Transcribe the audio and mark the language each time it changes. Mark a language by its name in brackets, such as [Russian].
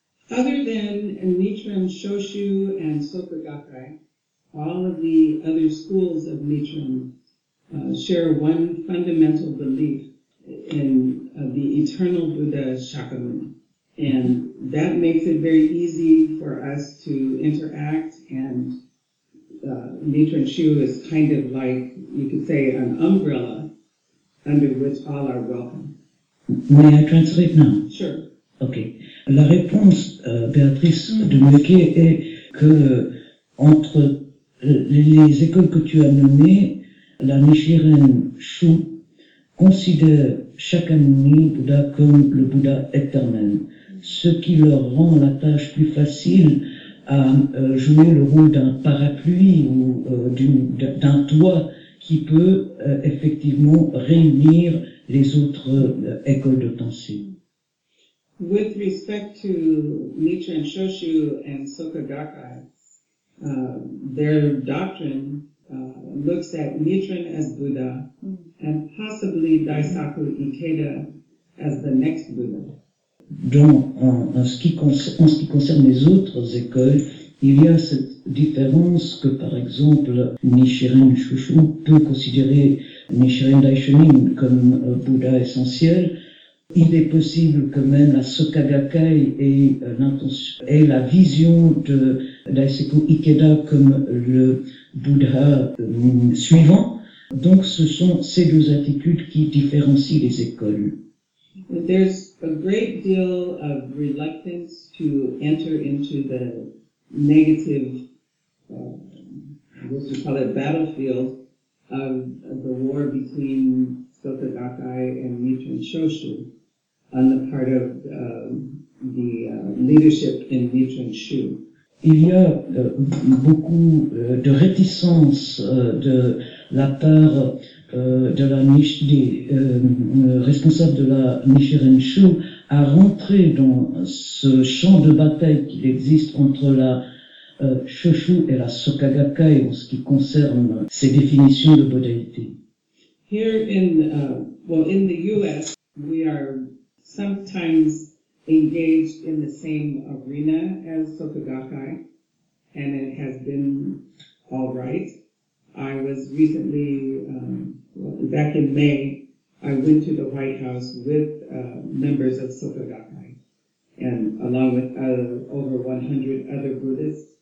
[English] Other than Nichiren Shoshu and Sokagakai, all of the other schools of Nichiren share one fundamental belief in the eternal Buddha Shakyamuni. And that makes it very easy for us to interact, and Nichiren Shu is kind of like, you could say, an umbrella under which all are welcome. May I translate now? Sure. Okay. [French] La réponse, Béatrice, de Meke est que entre les écoles que tu as nommées, la Nichiren Shu considère Shakyamuni Bouddha comme le Bouddha éternel, ce qui leur rend la tâche plus facile à jouer le rôle d'un parapluie ou d'un toit qui peut effectivement réunir les autres écoles de pensée. [English] With respect to Nichiren Shoshu and Sokagakai, their doctrine looks at Nichiren as Buddha and possibly Daisaku Ikeda as the next Buddha. [French] Donc, en ce qui concerne les autres écoles, il y a cette différence que, par exemple, Nichiren Shushu peut considérer Nichiren Daishonin comme Bouddha essentiel. Il est possible que même la Sokagakai ait la vision de Daisaku Ikeda comme le Bouddha suivant. Donc, ce sont ces deux attitudes qui différencient les écoles. [English] There's a great deal of reluctance to enter into the negative, what you call it, battlefield of the war between Sokagakai and Nichiren Shoshu on the part of the leadership in Nichiren Shu. [French] Il y a beaucoup de réticence de la part de la niche des responsables de la Nichiren Shu à rentrer dans ce champ de bataille qui existe entre la Shoshu et la Sokagakai en ce qui concerne ces définitions de bodhaïté. [English] Here in well in the US we are sometimes engaged in the same arena as Sokagakai, and it has been all right. I was recently back in May, I went to the White House with members of Sokagakai, and along with over 100 other Buddhists.